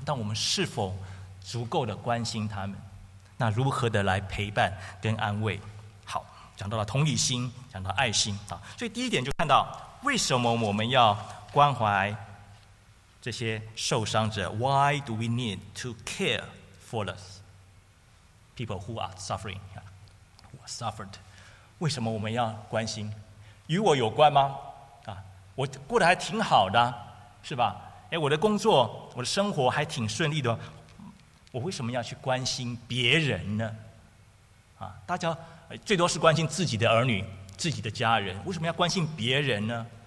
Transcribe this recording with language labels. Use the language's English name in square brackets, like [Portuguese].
[Chinese] 但我们是否足够的关心他们？那如何的来陪伴跟安慰？好，讲到了同理心，讲到爱心啊。所以第一点就看到为什么我们要关怀这些受伤者 ？ [English] Why do we need to care for us？ People who are suffering, who are suffered. [Chinese] 为什么我们要关心？与我有关吗？啊，我过得还挺好的，是吧？哎，我的工作，我的生活还挺顺利的。我为什么要去关心别人呢？啊，大家最多是关心自己的儿女、自己的家人，为什么要关心别人呢？